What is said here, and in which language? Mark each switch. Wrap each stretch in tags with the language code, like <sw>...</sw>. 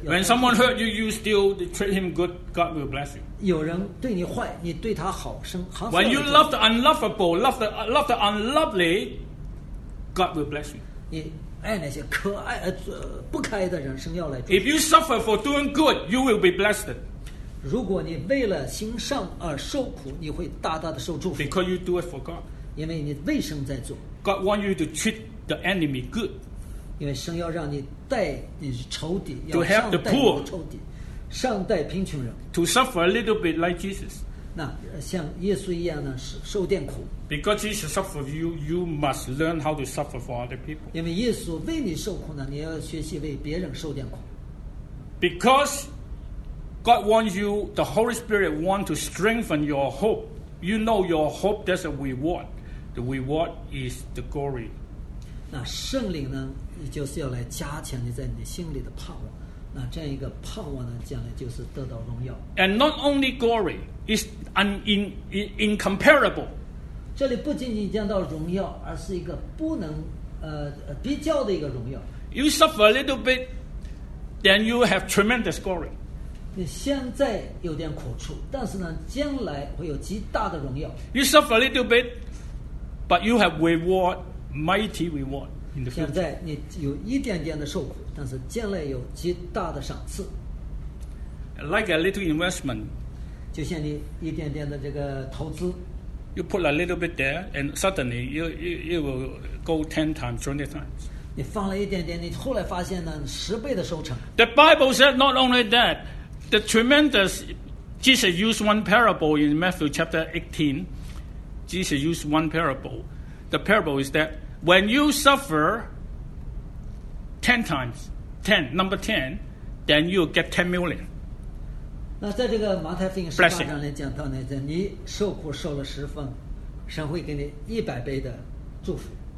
<en>When someone hurt you, you still treat him good. God will bless you.</en> <zh>有人对你坏，你对他好，神还是。</zh> <en>When you love the unlovable, love the unlovely. God will bless you. If you suffer for doing good, you will be blessed.</en> <zh>如果你为了行善而受苦，你会大大的受祝福。</zh> <en>Because you do it for God.</en> <zh>因为你为神在做。</zh> <en>God wants you to treat the enemy good.</en> <zh>因为神要让你待你是仇敌，要善待你的仇敌，善待贫穷人。</zh> <en>To suffer a little bit like Jesus.</en> <zh>那像耶稣一样呢，是受点苦。</zh> <en>Because Jesus suffered for you, you must learn how to suffer for other people.</en> <zh>因为耶稣为你受苦呢，你要学习为别人受点苦。</zh> <en>Because God wants you, the Holy Spirit wants to strengthen your hope. You know your hope, there's a reward. The reward is the glory.</en> <zh>那圣灵呢，你就是要来加强你在你心里的盼望。那这样一个盼望呢，将来就是得到荣耀。</zh> <en>And not only glory, it's incomparable.</en> <zh>这里不仅仅讲到荣耀，而是一个不能比较的一个荣耀。</zh> <en>You suffer a little bit, then you have tremendous glory.</en> <zh>你现在有点苦处，但是呢，将来会有极大的荣耀。</zh> <en>You suffer a little bit, but you have reward, mighty reward in the future.</en> <zh>现在你有一点点的受苦，但是将来有极大的赏赐。</zh> <en>Like a little investment.</en> <zh>就像你一点点的这个投资。</zh> <en>You put a little bit there, and suddenly you will go 10 times, 20 times.</en> <zh>你放了一点点，你后来发现呢，十倍的收成。</zh> <en>The Bible said not only that, the tremendous. Jesus used one parable in Matthew chapter 18. Jesus used one parable. The parable is that when you suffer 10 times, 10, number 10, then you get 10 million.</en> <zh>那在这个马太福音十八章里讲到呢，你受苦受了十分，神会给你100倍的祝福。</zh>